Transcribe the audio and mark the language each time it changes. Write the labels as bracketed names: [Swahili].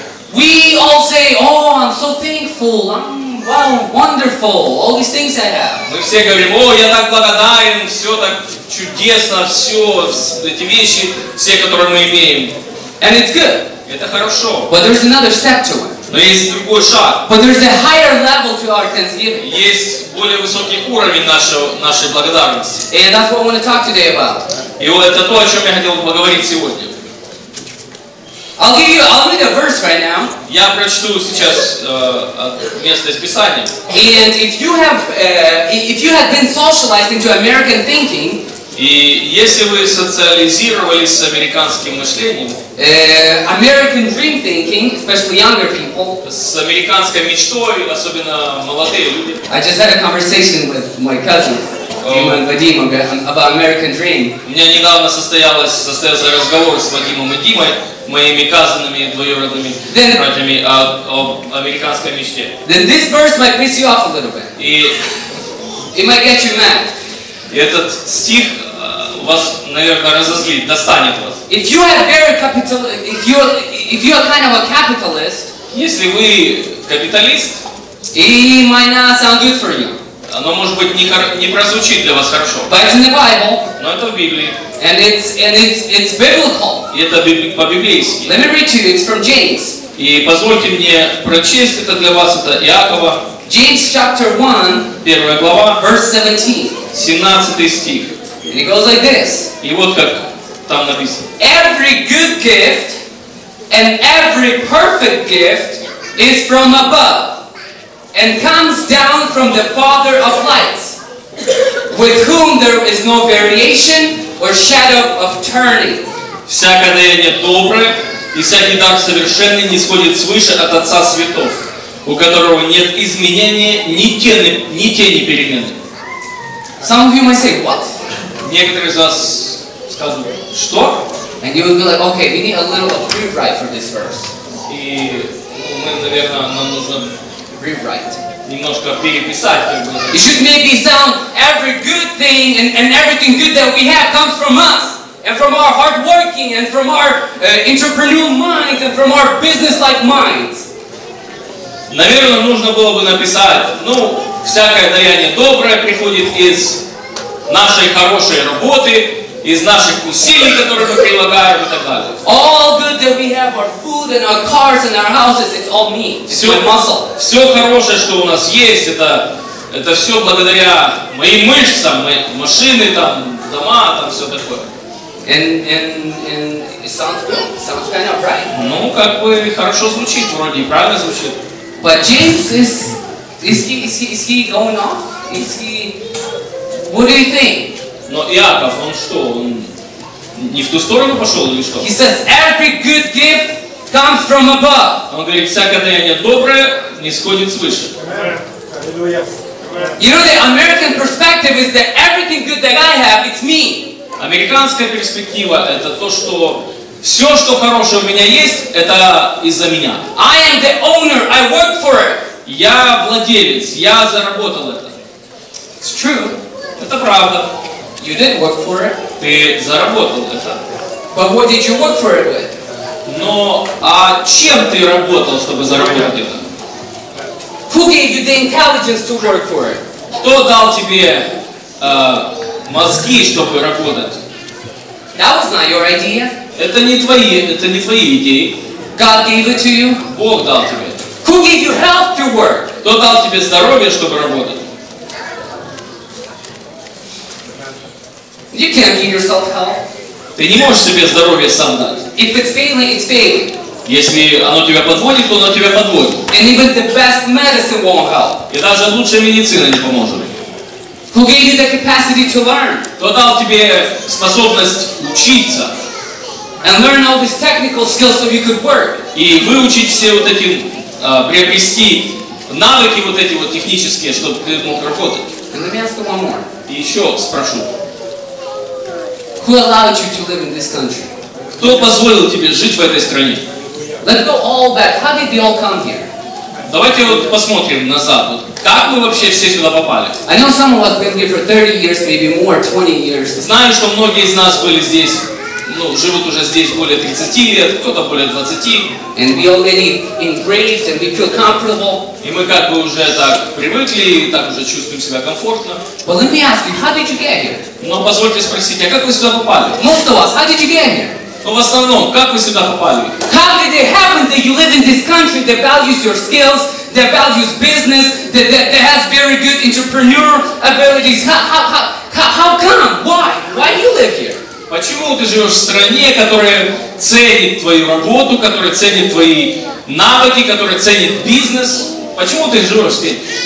[English] We all say, oh, I'm so thankful, I'm wow, wonderful, all these things I have. [Russian] Мы все говорим, о, я так благодарен, все так чудесно, все эти вещи, все, которые мы имеем. [English] And it's good. [Russian] Это хорошо. [English] But there's another step to it. [Russian] Но есть другой шаг. [English] But there's a higher level to our Thanksgiving. [Russian] Есть более высокий уровень нашей благодарности. [English] And that's what I want to talk today about. [Russian] И вот это то, о чем я хотел поговорить сегодня. [English] I'll read a verse right now. [Russian] Я прочту сейчас место из Писания. [English] And if you have been socialized into American thinking, [Russian] И если вы социализировались с американским мышлением, [English] American dream thinking, especially younger people, [Russian] с американской мечтой, особенно молодые люди, [English] I just had a conversation with my cousins, Дима и Вадим, about American dream. [Russian] У меня недавно состоялся разговор с Вадимом и Димой, моими казанными двоюродными братьями, об американской мечте. [English] Then this verse might piss you off a little bit. [Russian] И [English] it might get you mad. [Russian] Этот стих вас, наверное, разозлит, достанет вас. [English] If you are very capital, if you are kind of a capitalist, [Russian] если вы капиталист, [English] it might not sound good for you. [Russian] Оно может быть не прозвучит для вас хорошо. [English] But it's in the Bible. [Russian] Но это в Библии. [English] And it's biblical. [Russian] И это по-библейски. [English] Let me read to you. It's from James. [Russian] И позвольте мне прочесть это для вас, это Иакова. [English] James chapter 1, [Russian] первая глава, [English] verse 17. [Russian] 17 стих. [English] And it goes like this. [Russian] И вот как там написано. [English] Every good gift and every perfect gift is from above and comes down from the Father of lights, with whom there is no variation or shadow of turning. [Russian] Всякое дарение доброе и всякий дар совершенный нисходит свыше от Отца Святого, у которого нет изменения ни тени перемен. [English] Some of you might say, what? [Russian] Некоторые из вас скажут, что? [English] And you would be like, okay, we need a little of rewrite for this verse. [Russian] И мы, наверное, нам нужно [English] rewrite. [Russian] Немножко переписать, как бы. [English] It should maybe sound every good thing and everything good that we have comes from us. And from our hard working and from our entrepreneurial minds and from our business-like minds. [Russian] Наверное, нужно было бы написать, ну, всякое даяние доброе приходит из нашей хорошей работы, из наших усилий, которые мы прилагаем, и так далее. [English] All good that we have, our food and our cars and our houses, it's all me. [Russian] Все, [English] my muscle. [Russian] Все хорошее, что у нас есть, это все благодаря моим мышцам, машины, там, дома, там все такое. [English] And it sounds good. It sounds kind of right. [Russian] Ну, как бы хорошо звучит, вроде правильно звучит. [English] But James is he going off? Is he? What do you think? [Russian] Но Иаков, он что, он не в ту сторону пошел или что? [English] He says every good gift comes from above. [Russian] Он говорит, всякое даяние доброе нисходит свыше. [English] You know the American perspective is that everything good that I have, it's me. [Russian] Американская перспектива это то, что все, что хорошее у меня есть, это из-за меня. [English] I am the owner. I work for it. [Russian] Я владелец. Я заработал это. [English] It's true. [Russian] Это правда. [English] You did work for it. [Russian] Ты заработал это. [English] But what did you work for it with? [Russian] Но а чем ты работал, чтобы заработать это? [English] Who gave you the intelligence to work for it? [Russian] Кто дал тебе мозги, чтобы работать? [English] That was not your idea. [Russian] Это не твои идеи. [English] God gave it to you. [Russian] Бог дал тебе. [English] Who gave you health to work? [Russian] Кто дал тебе здоровье, чтобы работать? [English] You can't give yourself health. [Russian] Ты не можешь себе здоровье сам дать. [English] If it's failing, it's failing. [Russian] Если оно тебя подводит, то оно тебя подводит. [English] And even the best medicine won't help. [Russian] И даже лучшая медицина не поможет. [English] Who gave you the capacity to learn? [Russian] Кто дал тебе способность учиться? [English] And learn all these technical skills so you could work. [Russian] И выучить все вот эти, приобрести навыки вот эти вот технические, чтобы ты мог работать. [English] And let me ask you one more. [Russian] И еще спрошу. [English] Who allowed you to live in this country? [Russian] Кто позволил тебе жить в этой стране? [English] Let's go all back. How did they all come here? [Russian] Давайте вот посмотрим назад. Вот как мы вообще все сюда попали? [English] I know some of us been here for 30 years, maybe more, 20 years. [Russian] Знаю, что многие из нас были здесь. Ну, живут уже здесь более 30 лет, кто-то более 20. [English] And we already engraved and we feel comfortable. [Russian] И мы как бы уже так привыкли, и так уже чувствуем себя комфортно. [English] Well, let me ask you, how did you get here? [Russian] Но позвольте спросить, а как вы сюда попали? [English] Most of us, how did you get here? [Russian] Ну, в основном, как вы сюда попали? [English] How did it happen that you live in this country that values your skills, that values business, that has very good entrepreneurial abilities? How come? Why do you live here? [Russian] Почему ты живешь в стране, которая ценит твою работу, которая ценит твои навыки, которая ценит бизнес? Почему ты живешь здесь?